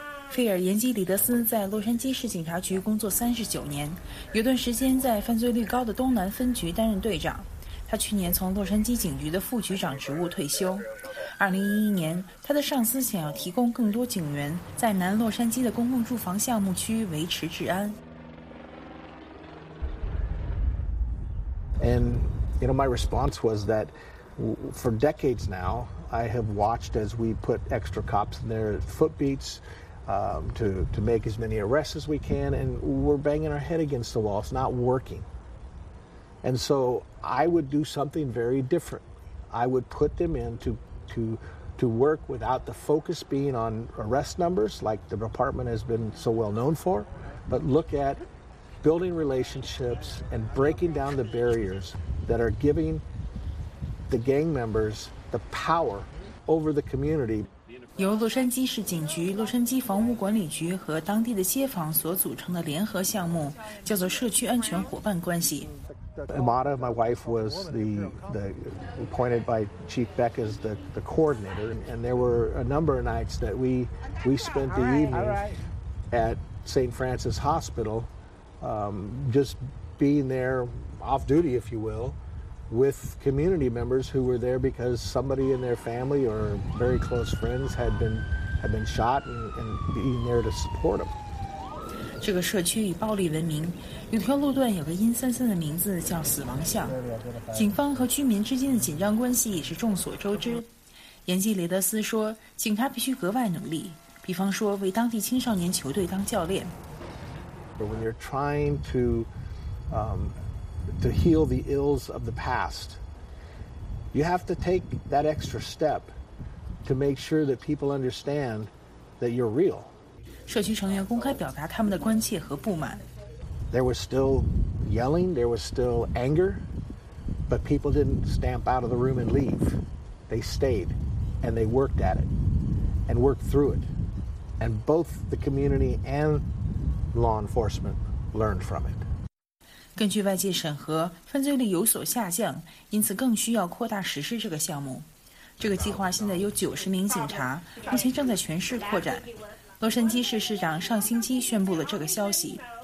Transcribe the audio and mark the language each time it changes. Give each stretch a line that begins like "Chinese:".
Chinese: 菲尔·延基里德斯在洛杉矶市警察局工作39年，有段时间在犯罪率高的东南分局担任队长。他去年从洛杉矶警局的副局长职务退休。2011年，他的上司想要提供更多警员在南洛杉矶的公共住房项目区维持治安。
English: And you know, my response was that for decades now, I have watched as we put extra cops in their footbeats to make as many arrests as we can, and we're banging our head against the wall. It's not working. And so I would do something very different. I would put them in to work without the focus being on arrest numbers, like the department has been so well known for, but look at building relationships and breaking down the barriers that are giving the gang members the power over the community.
Chinese: 由洛杉矶市警局、洛杉矶房屋管理局和当地的街坊所组成的联合项目，叫做社区安全伙伴关系。
English: Amata, my wife, was the appointed by Chief Beck as the coordinator, and there were a number of nights that we spent the evening at St. Francis Hospital, just being there off duty, if you will, with community members who were there because somebody in their family or very close friends had been shot, and being there to support them.
Chinese: 这个社区以暴力闻名，有条路段有个阴森森的名字叫死亡巷。警方和居民之间的紧张关系也是众所周知。延基雷德斯说，警察必须格外努力，比方说为当地青少年球队当教练。
English: But when you're trying to heal the ills of the past, you have to take that extra step to make sure that people understand that you're real.
Chinese: 社区成员公开表达他们的关切和不满。
English: There was still yelling, there was still anger, but people didn't stamp out of the room and leave. They stayed, and they worked at it, and worked through it. And both the community and law enforcement learned from it.
Chinese: 根据外界审核，犯罪率有所下降，因此更需要扩大实施这个项目。这个计划现在有90名警察，目前正在全市扩展。洛杉矶市市长上星期宣布了这个消息。